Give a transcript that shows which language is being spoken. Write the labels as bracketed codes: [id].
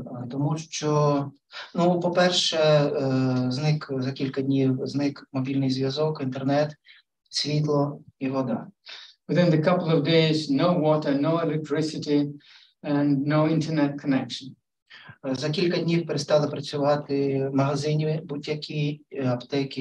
[uk] Тому що, по-перше, зник за кілька днів, зник мобільний зв'язок, інтернет, світло і вода. [en] Within the couple of days, no water, no electricity and no internet connection. [uk] За кілька днів перестали працювати магазини, будь-які аптеки.